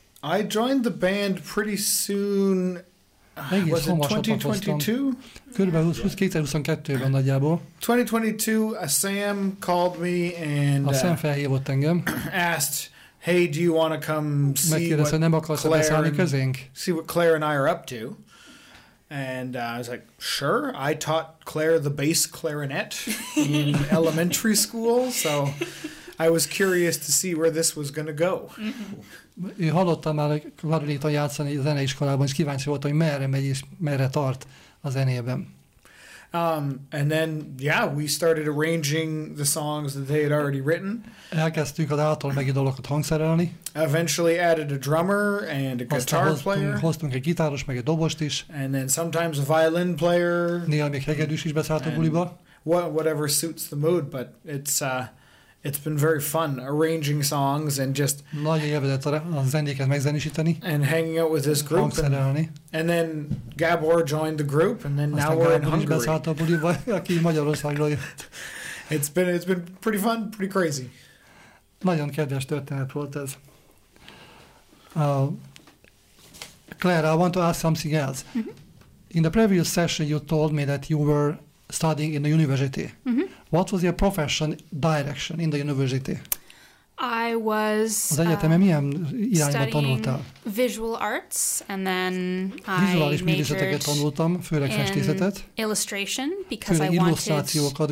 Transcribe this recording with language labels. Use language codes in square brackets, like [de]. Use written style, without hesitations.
[en] I joined the band pretty soon. Was it 2022? [hu] Körülbelül 2022-ben nagyjából. [en] 2022, a Sam called me and [hu] Sam felhívott engem. [en] Asked, hey, do you want to come see what Claire and I are up to? And I was like, sure. I taught Claire the bass clarinet in elementary school, so I was curious to see where this was going to go. [hu] Mm-hmm. Ő hallotta már a klarinéton játszani a zeneiskolában, és kíváncsi volt, hogy merre megy és merre tart a zenében. [en] And then, yeah, we started arranging the songs that they had already written. [hu] Elkezdtük az által megírt dalokat hangszerelni. [en] Eventually added a drummer and a guitar player. [hu] Hoztunk egy gitáros, meg egy dobost is. [en] And then sometimes a violin player. [hu] Néha még hegedűs is beszállt a buliba. [en] Whatever suits the mood, but it's been very fun arranging songs and just [hu] nagyon élvezett a zenéket megzenésíteni. [en] And hanging out with this group. And then Gábor joined the group, and then now we're in Hungary. [hu] Beszállt a buliba, aki Magyarországról jött. [en] It's been pretty fun, pretty crazy. [hu] Nagyon kedves történet volt ez. [en] Claire, I want to ask something else. Mm-hmm. In the previous session, you told me that you were studying in the university. Mm-hmm. What was your profession direction in the university? I was studying visual arts, and then I majored [hu] tanultam, főleg in festészetet. [en] Illustration, because I wanted